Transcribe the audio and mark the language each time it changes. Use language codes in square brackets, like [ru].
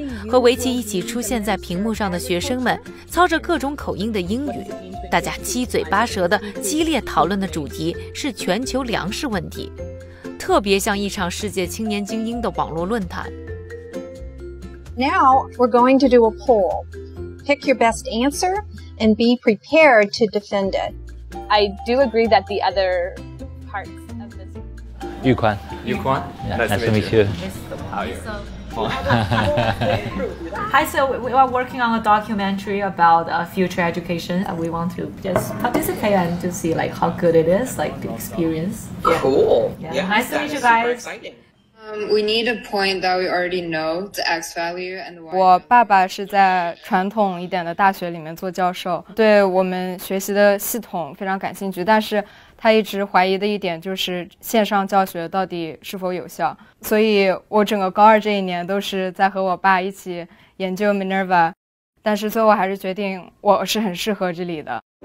[zh] 和维奇一起出现在屏幕上的学生们操着各种口音的英语，大家七嘴八舌的激烈讨论的主题是全球粮食问题，特别像一场世界青年精英的网络论坛。 [en] Now we're going to do a poll. Pick your best answer and be prepared to defend it. I do agree that the other parts of this. [zh] 玉宽，玉宽， [en] nice to meet you. How are you? Hi, so we are working on a documentary about future education, and we want to just participate and to see like how good it is, like the experience. Yeah. Cool. Yeah. Nice to meet you guys. We need a point that we already know the X value and why. [zh] 我爸爸是在传统一点的大学里面做教授，对我们学习的系统非常感兴趣，但是他一直怀疑的一点就是线上教学到底是否有效，所以我整个高二这一年都是在和我爸一起研究 Minerva， 但是最后还是决定我是很适合这里的。